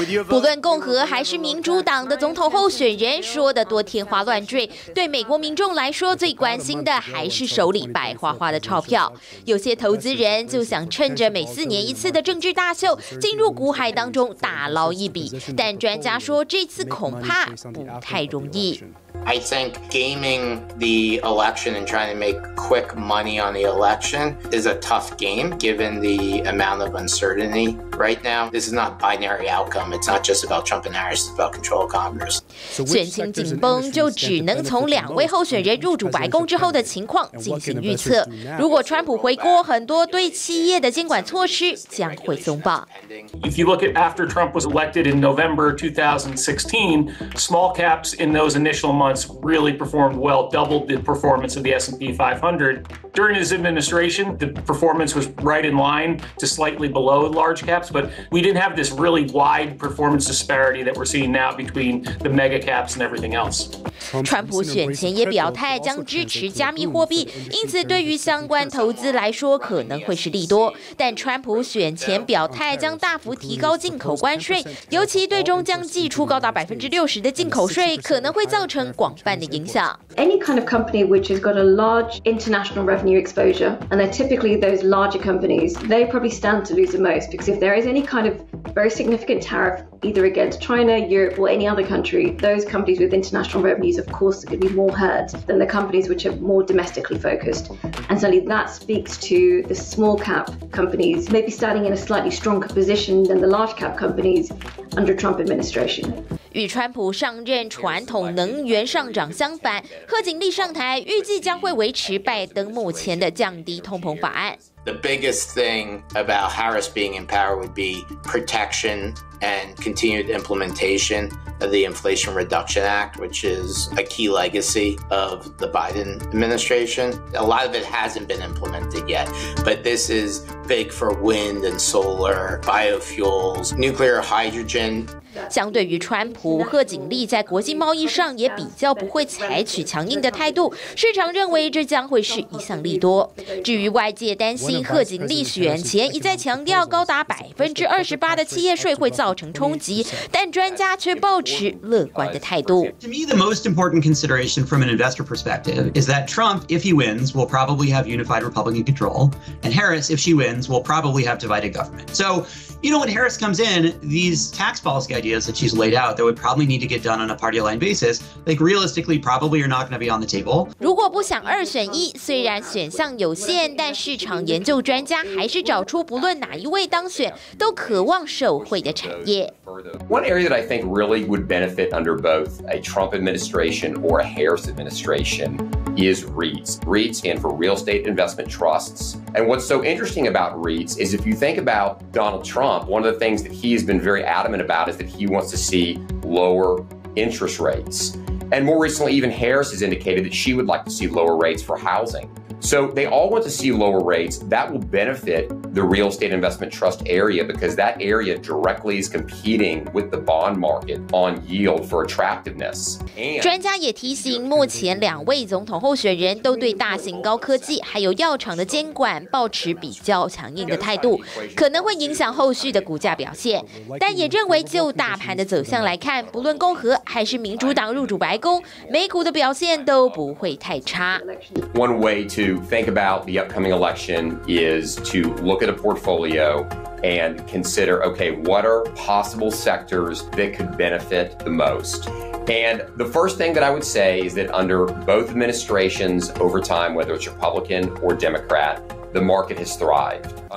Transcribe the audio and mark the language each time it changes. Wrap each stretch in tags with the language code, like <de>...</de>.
<zh>不论共和还是民主党的总统候选人说的多天花乱坠，对美国民众来说最关心的还是手里白花花的钞票。有些投资人就想趁着每四年一次的政治大秀进入股海当中大捞一笔，但专家说这次恐怕不太容易。</zh> <en>I think gaming the election and trying to make quick money on the election is a tough game given the amount of uncertainty right now. This is not binary outcome. It's not just about Trump and Harris. It's about control of Congress.</en> <zh>选情紧绷，就只能从两位候选人入主白宫之后的情况进行预测。如果川普回国，很多对企业的监管措施将会松绑。</zh> <en>If you look at after Trump was elected in November 2016, small caps in those initial months really performed well, doubled the performance of the S&P 500. During his administration, the performance was right in line to slightly below large caps, but we didn't have this really wide performance disparity that we're seeing now between the mega caps and everything else.</en> <zh>川普选前也表态将支持加密货币，因此对于相关投资来说可能会是利多。但川普选前表态将大幅提高进口关税，尤其对中将寄出高达60%的进口税，可能会造成广泛的影响。</zh> <en>Any kind of company which has got a large international revenue exposure, and they're typically those larger companies, they probably stand to lose the most because if there is any kind of very significant tariff either against China, Europe, or any other country, those companies with international revenues, of course, are going to be more hurt than the companies which are more domestically focused. And certainly that speaks to the small cap companies maybe standing in a slightly stronger position than the large cap companies under Trump administration.</en> <zh>与川普上任传统能源上涨相反，贺锦丽上台预计将会维持拜登目前的降低通膨法案。</zh> <en>The biggest thing about Harris being in power would be protection and continued implementation of the Inflation Reduction Act, which is a key legacy of the Biden administration. A lot of it hasn't been implemented yet, but this is big for wind and solar, biofuels, nuclear hydrogen.</en> <zh>相对于川普，贺锦丽在国际贸易上也比较不会采取强硬的态度，市场认为这将会是一项利多。至于外界担心贺锦丽选前一再强调高达28%的企业税会造成冲击，但专家却抱持乐观的态度。</zh> <en>To me, the most important consideration from an investor perspective is that Trump, if he wins, will probably have unified Republican control, and Harris, if she wins, will probably have divided government. So, you know, when Harris comes in, these tax policy ideas that she's laid out that would probably need to get done on a party line basis, like realistically, probably are not going to be on the table.</en> <zh>如果不想二选一，虽然选项有限，但市场研究专家还是找出不论哪一位当选，都渴望受惠的产业。</zh> <en>One area that I think really would benefit under both a Trump administration or a Harris administration is REITs. REITs stand for real estate investment trusts. And what's so interesting about REITs is if you think about Donald Trump, one of the things that he has been very adamant about is that he wants to see lower interest rates. And more recently, even Harris has indicated that she would like to see lower rates for housing. So they all want to see lower rates. That will benefit the real estate investment trust area because that area directly is competing with the bond market on yield for attractiveness.</en> <zh>专家也提醒，目前两位总统候选人都对大型高科技还有药厂的监管抱持比较强硬的态度，可能会影响后续的股价表现。但也认为，就大盘的走向来看，不论共和还是民主党入主白宫，美股的表现都不会太差。</zh> <en>One way to think about the upcoming election is to look at a portfolio and consider, okay, what are possible sectors that could benefit the most? And the first thing that I would say is that under both administrations over time, whether it's Republican or Democrat, the market has thrived.</en>